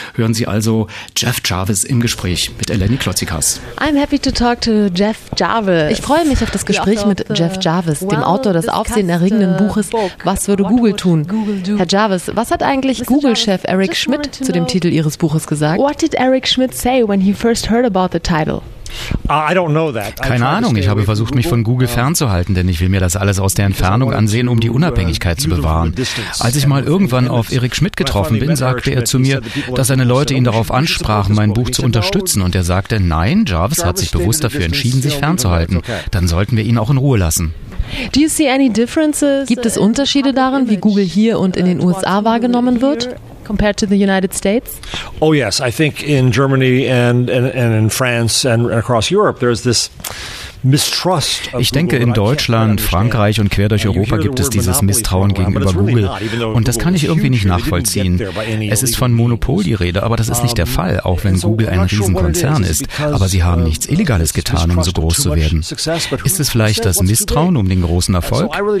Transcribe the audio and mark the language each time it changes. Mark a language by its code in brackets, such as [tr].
[de] Hören Sie also Jeff Jarvis im Gespräch mit Lenny Klotzikas. [en] I'm happy to talk to Jeff Jarvis. [de] Ich freue mich auf das Gespräch mit Jeff Jarvis, dem Autor des aufsehenerregenden Buches Was würde Google tun? Herr Jarvis, was hat eigentlich Google-Chef Eric Schmidt zu dem Titel Ihres Buches gesagt? [en] What did Eric Schmidt say when he first heard about the title? I don't know that. [de] Keine Ahnung, ich habe versucht, mich von Google fernzuhalten, denn ich will mir das alles aus der Entfernung ansehen, um die Unabhängigkeit zu bewahren. Als ich mal irgendwann auf Eric Schmidt getroffen bin, sagte er zu mir, dass seine Leute ihn darauf ansprachen, mein Buch zu unterstützen, und er sagte, nein, Jarvis hat sich bewusst dafür entschieden, sich fernzuhalten. Dann sollten wir ihn auch in Ruhe lassen. [en] Do you see any differences? [de] Gibt es Unterschiede darin, wie Google hier und in den USA wahrgenommen wird? [en] Compared to the United States? Oh yes, I think in Germany and in France and across Europe there's this mistrust. [de] Ich denke, in Deutschland, Frankreich und quer durch Europa gibt es dieses Misstrauen gegenüber Google. Und das kann ich irgendwie nicht nachvollziehen. Es ist von Monopol die Rede, aber das ist nicht der Fall, auch wenn Google ein Riesenkonzern ist. Aber sie haben nichts Illegales getan, um so groß zu werden. Ist es vielleicht das Misstrauen um den großen Erfolg?